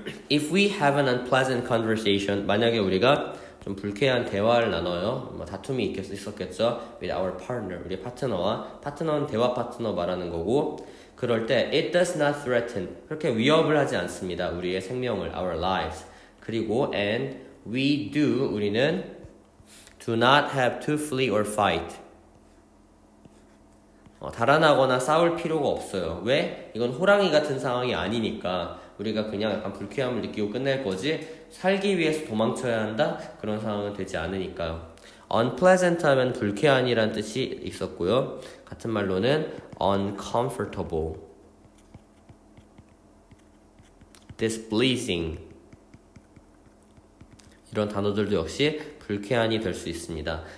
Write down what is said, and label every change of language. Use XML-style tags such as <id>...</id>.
<en>if we have an unpleasant conversation,</en> <ko>만약에 우리가 좀 불쾌한 대화를 나눠요. 뭐 다툼이 있었겠죠.</ko> <en>with our partner,</en> <ko>우리 파트너와 파트너는 대화 파트너 말하는 거고 그럴 때</ko> <en>it does not threaten</en> <ko>그렇게 위협을 하지 않습니다. 우리의 생명을</ko> <en>our lives</en> <ko>그리고</ko> <en>and we do</en> <ko>우리는</ko> <en>do not have to flee or fight</en> <ko>달아나거나 싸울 필요가 없어요. 왜? 이건 호랑이 같은 상황이 아니니까 우리가 그냥 약간 불쾌함을 느끼고 끝낼 거지 살기 위해서 도망쳐야 한다? 그런 상황은 되지 않으니까요. unpleasant 하면 불쾌한이란 뜻이 있었고요. 같은 말로는 uncomfortable, displeasing 이런 단어들도 역시 불쾌한이 될 수 있습니다.</ko>